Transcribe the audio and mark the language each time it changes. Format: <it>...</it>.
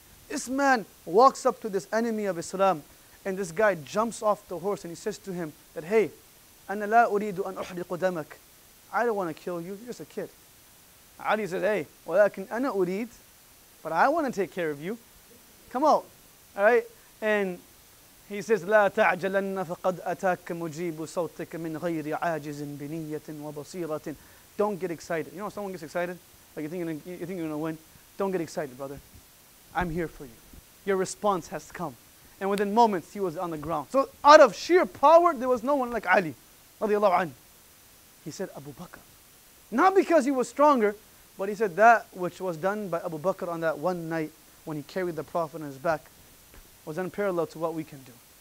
<en>This man walks up to this enemy of Islam and this guy jumps off the horse and he says to him that, hey,</en> <ar>أَنَا لَا أُرِيدُ أَنْ أُحْرِقُ دَمَكَ.</ar> <en>I don't want to kill you, you're just a kid. Ali says, hey,</en> <ar>وَلَكِنْ أَنَا أُرِيدُ.</ar> <en>But I want to take care of you. Come out. All right? And he says,</en> <ar>لَا تَعْجَلَنَّ فَقَدْ أَتَاكَ مُجِيبُ صَوْتِكَ مِنْ غَيْرِ عَاجِزٍ بِنِيَّةٍ وَبَصِيرَةٍ.</ar> <en>Don't get excited. You know, someone gets excited, like you think you're gonna win. Don't get excited, brother. I'm here for you. Your response has come. And within moments, he was on the ground. So out of sheer power, there was no one like Ali, radiallahu anhu. He said, Abu Bakr. Not because he was stronger, but he said that which was done by Abu Bakr on that one night when he carried the Prophet on his back was unparalleled to what we can do.</en>